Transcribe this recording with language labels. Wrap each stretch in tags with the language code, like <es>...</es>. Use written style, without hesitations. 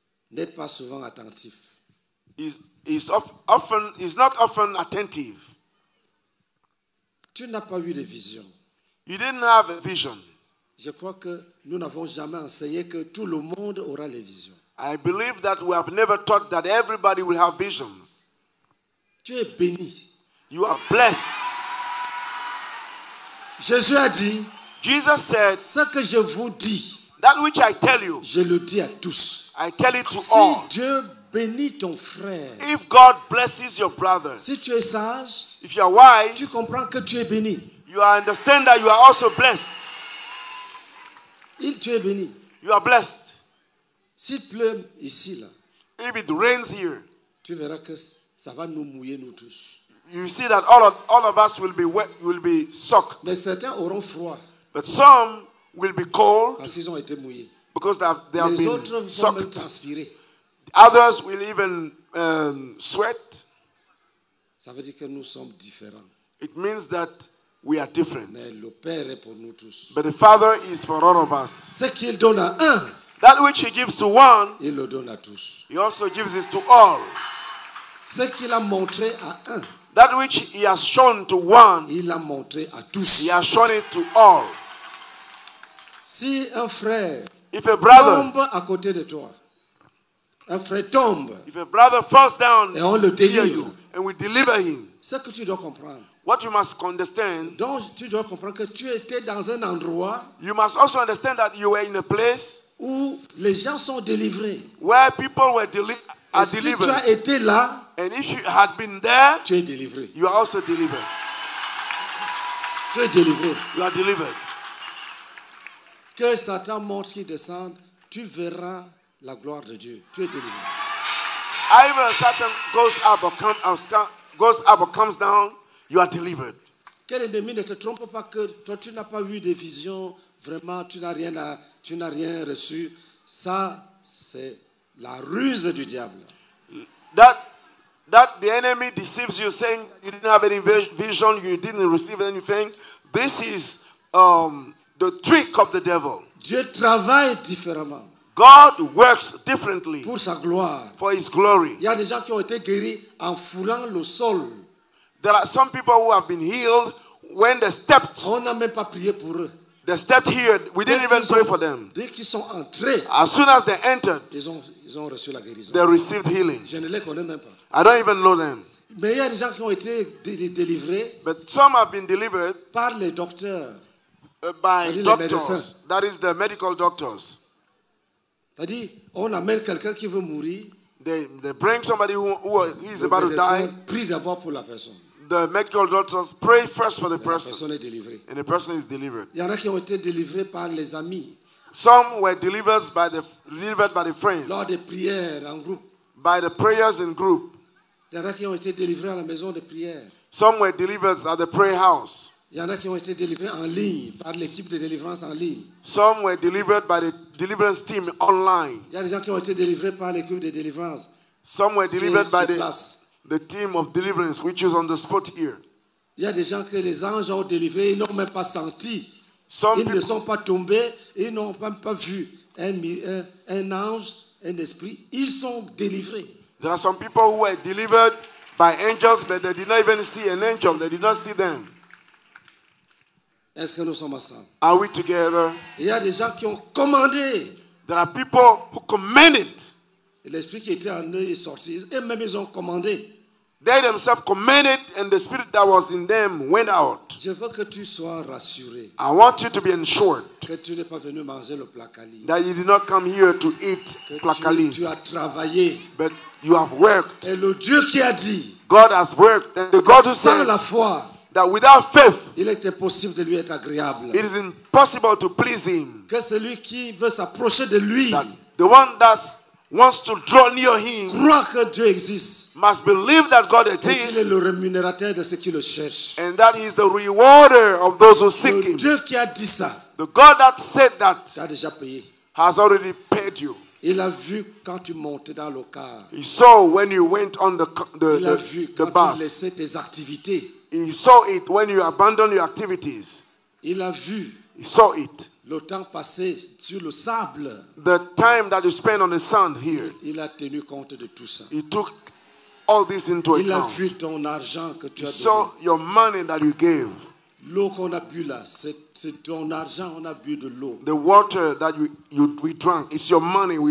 <fr>n'est pas souvent attentif.</fr> <en>Is not often attentive.</en> <fr>Tu n'as pas eu de vision.</fr> <en>You didn't have a vision.</en> <fr>Je crois que nous n'avons jamais enseigné que tout le monde aura les visions.</fr> <en>I believe that we have never taught that everybody will have visions.</en> <fr>Tu es béni.</fr> <en>You are blessed.</en> <fr>Jésus a dit,</fr> <en>Jesus said,</en> <fr>ce que je vous dis,</fr> <en>that which I tell you,</en> <fr>je le dis à tous.</fr> <en>I tell it to</en> <fr>si</fr> <en>all.</en> <fr>Si Dieu bénit ton frère,</fr> <en>if God blesses your brother,</en> <fr>si tu es sage,</fr> <en>if you are wise,</en> <fr>tu comprends que tu es béni.</fr> <en>You understand that you are also blessed.</en> <fr>Il tu es béni.</fr> <en>You are blessed.</en> <fr>S'il pleut ici là,</fr> <en>if it rains here,</en> <fr>tu verras que ça va nous mouiller nous tous.</fr> <en>You see that all of us will be wet, will be soaked.</en> <fr>Mais certains auront froid.</fr> <en>But some will be cold.</en> <fr>Parce qu'ils ont été mouillés.</fr> <en>Because they have</en> <fr>les</fr> <en>been</en> <fr>autres vont</fr> <en>soaked.</en> <fr>Même transpirer.</fr> <en>Others will even sweat.</en> <fr>Ça veut dire que nous sommes différents.</fr> <en>It means that we are different.</en> <fr>Mais le Père est pour nous tous.</fr> <en>But the Father is for all of us.</en> <fr>Ce qu'il donne à un.</fr> <en>That which he gives to one,</en> <fr>il le donne à tous.</fr> <en>He also gives it to all.</en> <fr>Ce qu'il a montré à un,</fr> <en>that which he has shown to one,</en> <fr>il l'a montré à tous.</fr> <en>He has shown it to all.</en> <fr>Si un frère,</fr> <en>if a brother,</en> <fr>tombe à côté de toi, un frère tombe,</fr> <en>if a brother falls down,</en> <fr>et on le délivre,</fr> <en>you, and we deliver him,</en> <fr>ce que tu dois comprendre.</fr> <en>What you must understand,</en> <fr>donc tu dois comprendre que tu étais dans un endroit,</fr> <en>you must also understand that you were in a place</en> <fr>où les gens sont délivrés.</fr> <en>Where people were are delivered.</en> <fr>Si tu as été là,</fr> <en>and if you had been there,</en> <fr>tu es délivré.</fr> <en>You are also delivered.</en> <fr>Tu es délivré.</fr> <en>You are delivered.</en> <fr>Que Satan monte qui descende, tu verras la gloire de Dieu. Tu es délivré.</fr> <en>Either Satan goes up or comes down, you are delivered.</en> <fr>Quel ennemi ne te trompe pas que toi tu n'as pas eu de vision. Vraiment, tu n'as rien reçu. Ça, c'est la ruse du diable.</fr> <en>That the enemy deceives you, saying you didn't have any vision, you didn't receive anything. This is the trick of the devil.</en> <fr>Dieu travaille différemment.</fr> <en>God works differently.</en> <fr>Pour sa gloire.</fr> <en>For his glory.</en> <fr>Il y a des gens qui ont été guéris en foulant le sol.</fr> <en>There are some people who have been healed when they stepped.</en> <fr>On n'a même pas prié pour eux.</fr> <en>They stepped here. We didn't even pray for them.</en> <fr>Dès qu'ils sont entrés,</fr> <en>as soon as they entered,</en> <fr>ils ont reçu la guérison.</fr> <en>They received healing.</en> <fr>Je ne les connais même pas.</fr> <en>I don't even know them.</en> <fr>Mais il y a des gens qui ont été délivrés.</fr> <en>But some have been delivered</en> <fr>par les docteurs.</fr> <en>By doctors. That is the medical doctors.</en> <fr>C'est-à-dire, on amène quelqu'un qui veut mourir.</fr> <en>They bring somebody who is about to die.</en> <fr>Prie d'abord pour la personne.</fr> <en>The medical doctors pray first for the person.</en> <fr>La personne est délivrée.</fr> <en>And the person is delivered.</en> <fr>Il y en a qui ont été délivrés par les amis.</fr> <en>Some were delivered by the friends.</en> <fr>Lors des prières en groupe.</fr> <en>By the prayers in group.</en> <fr>Il y en a qui ont été délivrés à la maison de prière.</fr> <en>Some were delivered at the prayer house.</en> <fr>Il y en a qui ont été délivrés en ligne par l'équipe de délivrance en ligne.</fr> <en>Some were delivered by the deliverance team online.</en> <fr>Il y a des gens qui ont été délivrés par l'équipe de délivrance</fr> <en>Some were delivered by the team of deliverance, which is on the spot here.</en> <fr>Il y a des gens que les anges ont délivrés, ils n'ont même pas senti. Ils ne sont pas tombés, ils n'ont même pas vu un ange, un esprit. Ils sont délivrés.</fr> <en>There are some people who were delivered by angels, but they did not even see an angel. They did not see them.</en> <fr>Est-ce que nous sommes ensemble?</fr> <en>Are we together?</en> <fr>Il y a des gens qui ont commandé.</fr> <en>There are people who commanded.</en> <fr>L'esprit qui était en eux est sorti. Eux-mêmes, ils ont commandé.</fr> <en>They themselves commanded, and the spirit that was in them went out.</en> <fr>Je veux que tu sois rassuré.</fr> <en>I want you to be ensured</en> <fr>que tu n'es pas venu manger le plakali.</fr> <en>That you did not come here to eat</en> <fr>que</fr> <en>plakali.</en> <fr>Tu as travaillé.</fr> <en>But you have worked.</en> <fr>Et le Dieu qui a dit,</fr> <en>God has worked, and the God who</en> <fr>sans</fr> <en>said</en> <fr>la foi,</fr> <en>that without faith,</en> <fr>il est impossible de lui être agréable.</fr> <en>It is impossible to please him.</en> <fr>Que celui qui veut s'approcher de lui,</fr> <en>the one that wants to draw near him,</en> <fr>croit que Dieu existe,</fr> <en>must believe that God exists,</en> <fr>qu'il est le rémunérateur de ceux qui le cherchent,</fr> <en>and that he is the rewarder of those who seek him.</en> <fr>Le Dieu qui a dit ça,</fr> <en>the God that said that,</en> <fr>t'a déjà payé,</fr> <en>has already paid you.</en> <fr>Il a vu quand tu montais dans le car.</fr> <en>He saw when you went on the</en> <fr>il a vu</fr> <en>the</en> <fr>quand</fr> <en>bus.</en> <fr>Tu laissais tes activités.</fr> <en>He saw it when you abandoned your activities.</en> <fr>Il a vu.</fr> <en>He saw it.</en> <fr>Le temps passé sur le sable.</fr> <en>The time that you spend on the sand here.</en> <fr>Il a tenu compte de tout ça.</fr> <en>He took all this into</en> <fr>il</fr> <en>account.</en> <fr>Il a vu ton argent que tu</fr> <en>he</en> <fr>as donné.</fr> <en>Saw your money that you gave.</en> <fr>L'eau qu'on a bu là, c'est ton argent, on a bu de l'eau.</fr> <en>The water that we drank, it's your money, we</en>